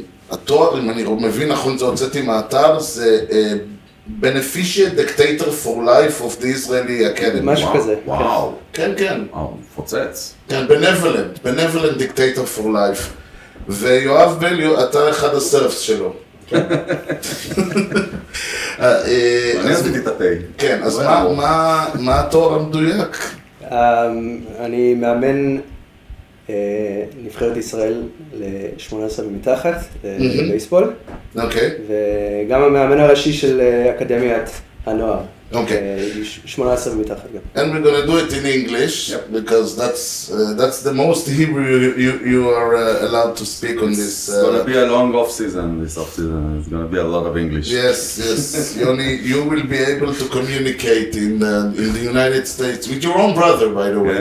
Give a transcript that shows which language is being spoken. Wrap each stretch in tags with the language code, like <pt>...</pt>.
<he>התואר, אם אני מבין, נכון, זה הוצאתי מהאתר, זה...</he> <en>Beneficiate Dictator for Life of the Israeli Academy.</en> <he>משהו</he> <en>wow.</en> <he>כזה. וואו. Wow. כן, כן. וואו, wow, פוצץ. כן, Benevolent.</he> <en>Benevolent Dictator for Life.</en> <he>ויואב בל, אתה אחד הסרפס שלו. אני עזבתי את הפי. כן, אז wow. מה התואר המדויק? אני מאמן נבחרת ישראל ל-18 מתחת, בייסבול. אוקיי. וגם המאמן הראשי של אקדמיית הנוער. אוקיי. 18 מתחת גם.</he> <en>And we're gonna do it in English, yep. Because that's the most Hebrew you are allowed to speak on this. It's gonna be a long off-season, this off-season. It's gonna be a lot of English. Yes, yes. Yoni, you will be able to communicate in the United States with your own brother, by the way.</en>